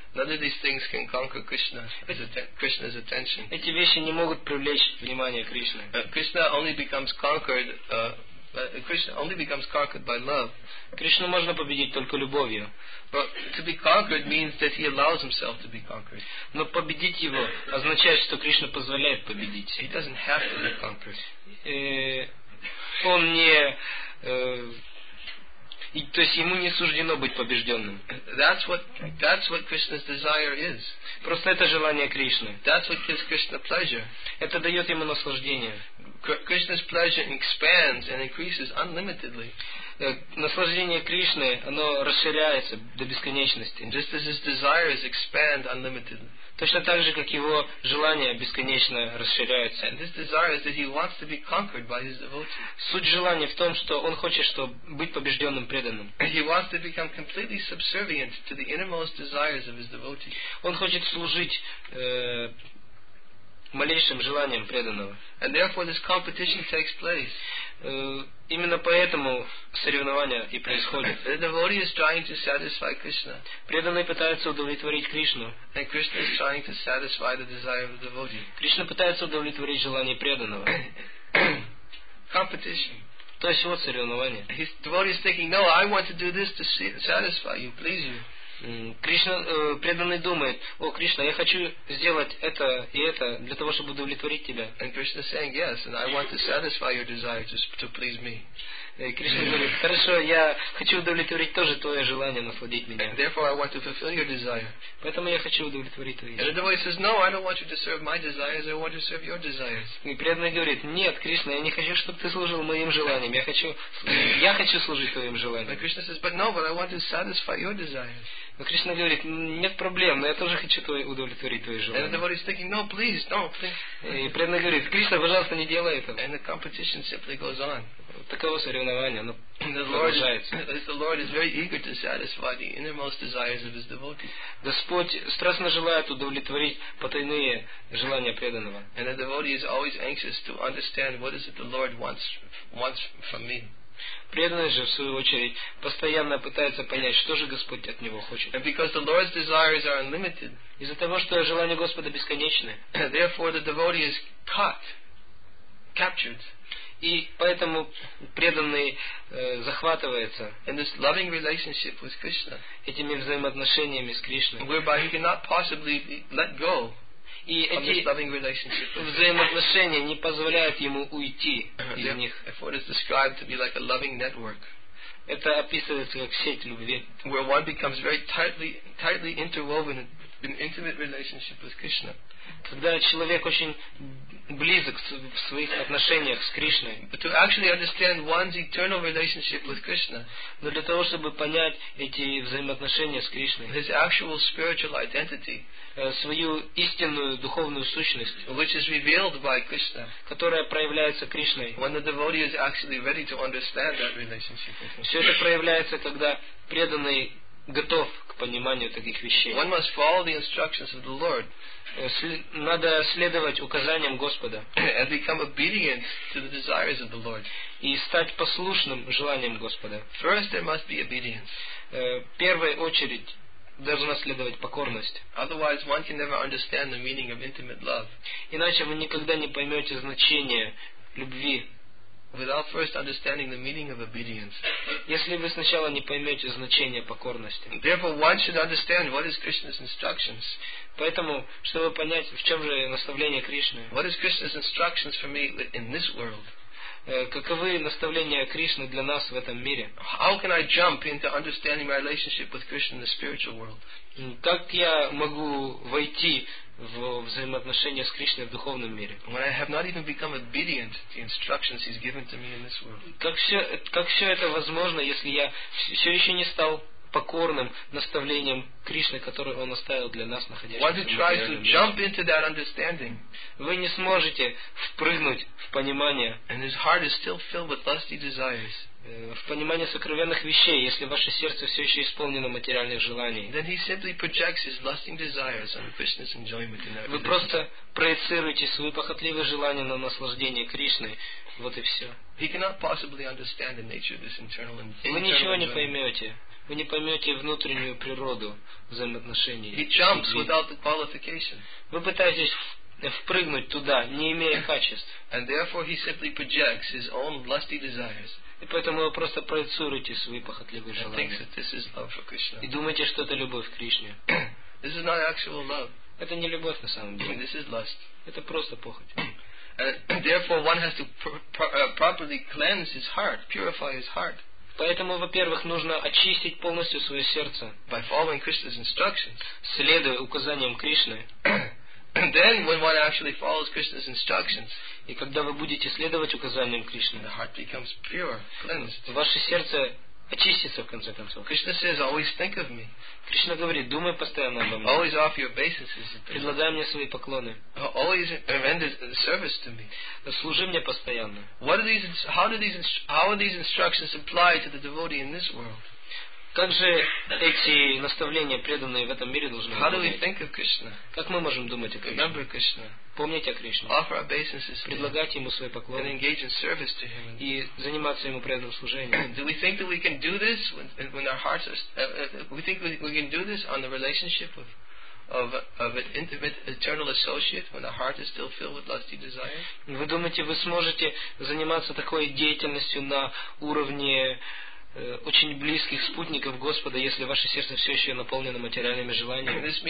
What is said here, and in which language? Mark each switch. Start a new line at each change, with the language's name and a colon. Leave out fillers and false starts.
English: None of these things can conquer Krishna's attention.
Russian: Эти вещи не могут привлечь внимание Кришны.
English: Krishna only becomes conquered by love.
Russian: Кришну можно победить только любовью.
English: But to be conquered means that he allows himself to be conquered.
Russian: Но победить его означает, что Кришна позволяет победить.
English: He doesn't have to be conquered.
Russian: Он не И, то есть ему не суждено быть побежденным.
English: That's what Krishna's desire is.
Russian: Просто это желание Кришны.
English: That's what gives Krishna pleasure.
Russian: Это дает ему наслаждение.
English: Krishna's pleasure expands and increases unlimitedly.
Russian: Наслаждение Кришны, оно расширяется до бесконечности.
English: Just as his desires expand unlimitedly.
Russian: Точно так же, как его желания бесконечно расширяются.
English: And this desire is that he wants to be conquered by his devotees.
Russian: Суть желания в том, что он хочет, чтобы быть побежденным преданным.
English: He wants to become completely subservient to the innermost desires of his devotees.
Russian: Он хочет служить малейшим желаниям преданного.
English: And therefore this competition takes place.
Russian: Именно поэтому соревнования и происходят.
English: The devotee is trying to satisfy Krishna.
Russian: Преданный пытается удовлетворить Кришну.
English: And Krishna is trying to satisfy the desire of the devotee.
Russian: Кришна пытается удовлетворить желание преданного.
English: Competition.
Russian: То есть вот соревнование.
English: His devotee is thinking, no, I want to do this to satisfy you, please you.
Russian: Кришна, преданный думает, о, Кришна, я хочу сделать это и это для того, чтобы удовлетворить тебя.
English: And Krishna is saying, yes, and I want to satisfy your desire to please me.
Russian: Кришна говорит, хорошо, я хочу удовлетворить тоже твое желание насладить меня.
English: And therefore I want to fulfill your desire.
Russian: Поэтому я хочу удовлетворить твои желания.
English: And the devotee says, no, I don't want you to serve my desires, I want you to serve your desires.
Russian: И преданный говорит, нет, Кришна, я не хочу, чтобы ты служил моим желаниям, я хочу служить твоим желаниям.
English: And Krishna says, but no, but I want to satisfy your desires.
Russian: Но Кришна говорит, нет проблем, но я тоже хочу удовлетворить твои желания.
English: And the devotee is thinking, no, please, no, please.
Russian: И преданный говорит, Кришна, пожалуйста, не делай этого.
English: And the competition simply goes on.
Russian: Таково соревнование, оно продолжается.
English: The Lord is very eager to satisfy the innermost desires of his devotees.
Russian: Господь страстно желает удовлетворить потайные желания преданного.
English: And the devotee is always anxious to understand what is it the Lord wants from me.
Russian: Преданный же, в свою очередь, постоянно пытается понять, что же Господь от него хочет.
English: And because the Lord's desires are unlimited,
Russian: из-за того, что желания Господа бесконечны,
English: therefore the devotee is caught, captured.
Russian: И поэтому преданный захватывается
English: in this loving relationship with Krishna,
Russian: этими взаимоотношениями с Кришной,
English: whereby he cannot possibly let go.
Russian: И эти
English: this loving relationship
Russian: взаимоотношения не позволяют ему уйти из них.
English: Therefore, it's described to be like a loving network.
Russian: Это описывается как сеть любви,
English: where one becomes very tightly interwoven in intimate relationship with Krishna.
Russian: Когда человек очень близок в своих отношениях с Кришной.
English: But to actually understand one's eternal relationship with Krishna,
Russian: но для того, чтобы понять эти взаимоотношения с Кришной,
English: his actual spiritual identity,
Russian: свою истинную духовную сущность,
English: which is revealed by Krishna,
Russian: которая проявляется Кришной,
English: when the devotee is actually ready to understand that relationship with Krishna.
Russian: Все это проявляется, когда преданный готов к пониманию таких вещей.
English: One must follow the instructions of the Lord.
Russian: Надо следовать указаниям Господа.
English: And become obedient to the desires of the Lord.
Russian: И стать послушным желаниям Господа.
English: First there must be obedience.
Russian: Первой очередь должна следовать покорность.
English: Otherwise one can never understand the meaning of intimate love.
Russian: Иначе вы никогда не поймете значение любви.
English: Without first understanding the meaning of obedience.
Russian: Если вы сначала не поймете значение покорности.
English: Therefore, one should understand what is Krishna's instructions.
Russian: Поэтому, чтобы понять, в чем же наставление Кришны.
English: What is Krishna's instructions for me in this world?
Russian: Каковы наставления Кришны для нас в этом мире?
English: How can I jump into understanding my relationship with Krishna in the spiritual world?
Russian: Как я могу войти в взаимоотношения с Кришной в духовном мире?
English: When I have not even become obedient to the instructions he's given to me in this world.
Russian: Как все это возможно, если я все еще не стал покорным наставлением Кришны, которое он оставил для нас, находящихся в этом мире? Вы не сможете впрыгнуть в понимание.
English: And his heart is still filled with lusty desires.
Russian: в понимание сокровенных вещей, если ваше сердце все еще исполнено материальных желаний.
English: Then he simply projects his lusting desires on Krishna's enjoyment in that.
Russian: Вы просто проецируете свои похотливые желания на наслаждение Кришны. Вот и все.
English: He cannot possibly understand the nature of this internal enjoyment.
Russian: Вы ничего не поймете. Вы не поймете внутреннюю природу взаимоотношений.
English: He jumps without the qualification.
Russian: Вы пытаетесь впрыгнуть туда, не имея качеств.
English: And therefore he simply projects his own lusty desires.
Russian: И поэтому вы просто проецируете свои похотливые желания. И думаете, что это любовь к Кришне.
English: This is not actual love.
Russian: Это не любовь на самом деле.
English: This is lust.
Russian: Это просто похоть.
English: Therefore one has to properly cleanse his heart, purify his heart.
Russian: Поэтому, во-первых, нужно очистить полностью свое сердце.
English: By following Krishna's instructions.
Russian: Следуя указаниям Кришны.
English: And then, when one actually follows Krishna's instructions,
Russian: и когда вы будете следовать указаниям Кришны,
English: the heart becomes pure, cleansed.
Russian: Ваше сердце очистится в конце концов.
English: Krishna says, "Always think of me."
Russian: Кришна говорит, думай постоянно обо мне.
English: Always offer your obeisances.
Russian: Предлагай мне свои поклоны.
English: Always render service to me.
Russian: Служи мне постоянно.
English: What are these? How are these instructions applied to the devotee in this world?
Russian: Как же эти наставления, преданные в этом мире, должны быть? Как мы можем думать о Кришне?
English: Remember Krishna.
Russian: Помнить о Кришне.
English: Offer obeisances.
Russian: Предлагать ему свои поклоны.
English: And engage in service to him.
Russian: И заниматься ему преданным служением.
English: Do we think that we can do this when our hearts are? We think we can do this on the relationship of an intimate eternal associate when the heart is still filled with lusty desire?
Russian: Вы думаете, вы сможете заниматься такой деятельностью на уровне очень близких спутников Господа, если ваше сердце все еще наполнено материальными желаниями?